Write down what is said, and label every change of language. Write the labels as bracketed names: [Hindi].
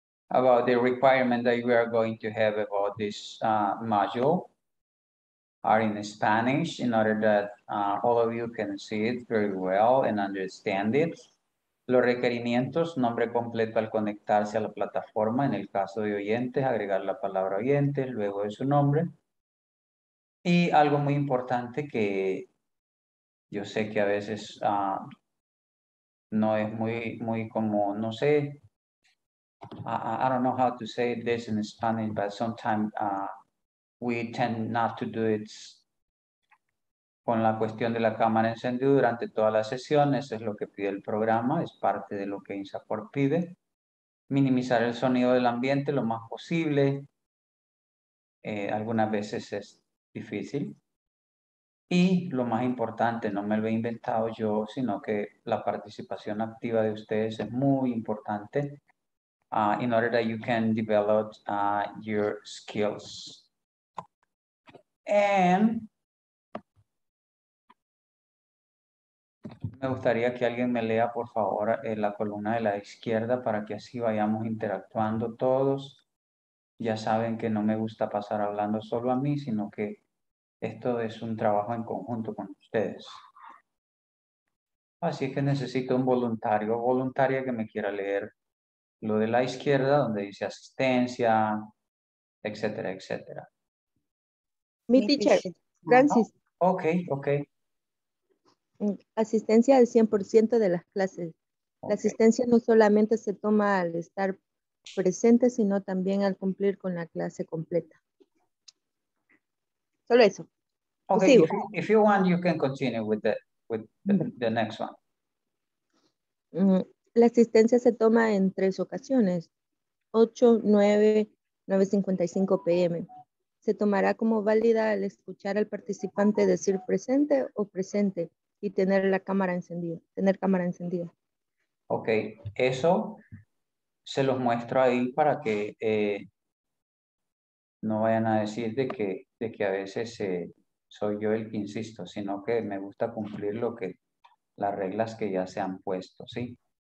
[English] About the requirement that we are going to have about this module are in Spanish in order that all of you can see it very well and understand it. [Spanish] Los requerimientos, nombre completo al conectarse a la plataforma, en el caso de oyentes, agregar la palabra oyente, luego de su nombre. Y algo muy importante que yo sé que a veces no es muy como, no sé, [English] I don't know how to say this in Spanish, but sometimes we tend not to do it. [Spanish] Con la cuestión de la cámara encendida durante toda la sesión, eso es lo que pide el programa, es parte de lo que INSAFORP pide. Minimizar el sonido del ambiente lo más posible. Algunas veces es difícil. Y lo más importante, no me lo he inventado yo, sino que la participación activa de ustedes es muy importante. [English] In order that you can develop your skills. [Spanish] And me gustaría que alguien me lea, por favor, la columna de la izquierda para que así vayamos interactuando todos. Ya saben que no me gusta pasar hablando solo a mí, sino que esto es un trabajo en conjunto con ustedes. Así es que necesito un voluntario o voluntaria que me quiera leer lo de la izquierda, donde dice asistencia, etcétera, etcétera. Mi teacher, Francis. [English] Oh, ok. [Spanish] Asistencia al 100% de las clases. Okay. La asistencia no solamente se toma al estar presente, sino también al cumplir con la clase completa. Solo eso. [English] Ok, if you want, you can continue with the next one. [Spanish] La asistencia se toma en tres ocasiones, 8, 9, 9.55 p.m. Se tomará como válida al escuchar al participante decir presente o presente y tener la cámara encendida, tener cámara encendida. Ok, eso se los muestro ahí para que no vayan a decir de que a veces soy yo el que insisto, sino que me gusta cumplir lo que las reglas que ya se han puesto, ¿sí?